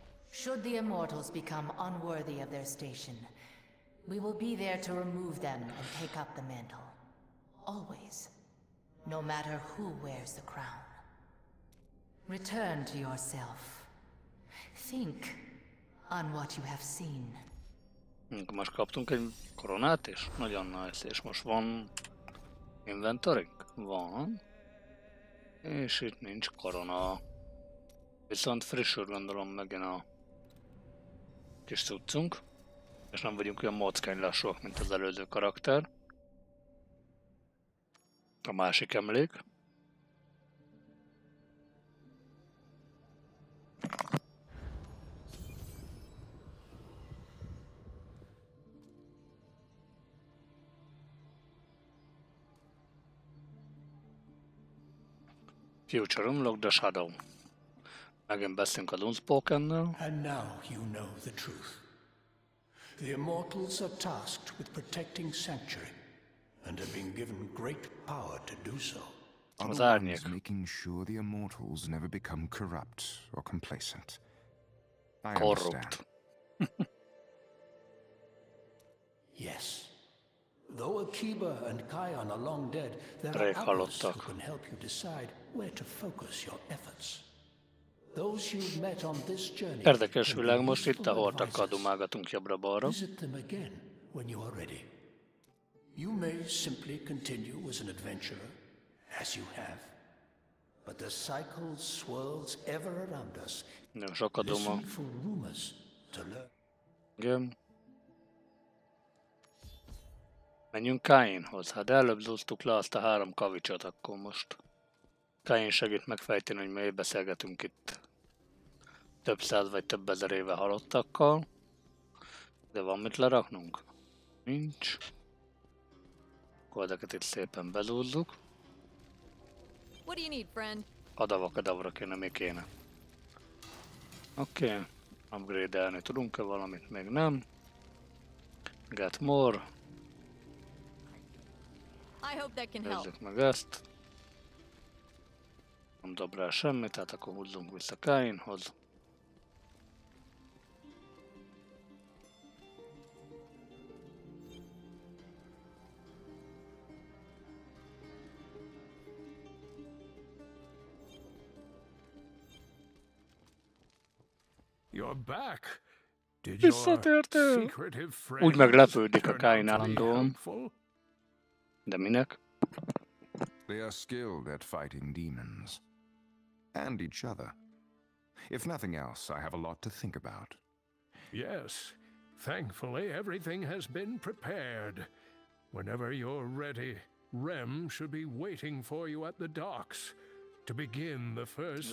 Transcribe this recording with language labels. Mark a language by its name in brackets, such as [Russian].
[English] Should the immortals become unworthy of their station, we will be there to remove them and take up the mantle. Always. No matter who wears the crown. Return to yourself. Think on what you have seen. [Hungarian] Most kaptunk egy koronát is. Nagyon nice. És most van inventory-nk? Van. És itt nincs korona. Viszont frissül gondolom megint a kis cuccunk. És nem vagyunk olyan mockány lassúak, mint az előző karakter. A másik emlék. [English] Future unlock the shadow. [Hungarian] Megint beszélünk a Dunspoken-nel. [English] And now you know the truth. The immortals are tasked with protecting sanctuary and have been given great power to do so. [Hungarian] Az árnyék. [English] Making sure the immortals never become corrupt or complacent. I understand. Yes. Though Akiba and Kion are long dead, there are others who can help you decide where to focus your efforts. Those you've met on this journey. [Hungarian] Érdekes világ most itt, ahol takadumágatunk jobbra-balra. [English] Visit them again when you are ready. You may simply continue as an adventurer, as you have. But the cycle swirls ever around us. [Hungarian] Nem sok a duma. [English] Listen for rumors to learn. [Hungarian] Igen. Menjünk Kainhoz. Hát előbb zúztuk le azt a három kavicsot, akkor most Kain segít megfejteni, hogy miért beszélgetünk itt több száz vagy több ezer éve halottakkal. De van mit leraknunk? Nincs. Akkor ezeket itt szépen bezúzzuk. Adavakadavra kéne, mi kéne. Oké. Upgrade-elni tudunk-e valamit? Még nem. [English] Get more. I hope that can help. [Hungarian] Nézzük meg ezt. Nem dob rá semmit, tehát akkor húzzunk vissza Kainhoz. [English] You're back. Did your secretive friend? [Hungarian] Úgy meglepődik a Kain állandóan. De minek? [English] They are skilled at fighting demons and each other. If nothing else, I have a lot to think about. Yes. Thankfully, everything has been prepared. Whenever you're ready, Rem should be waiting for you at the docks to begin the first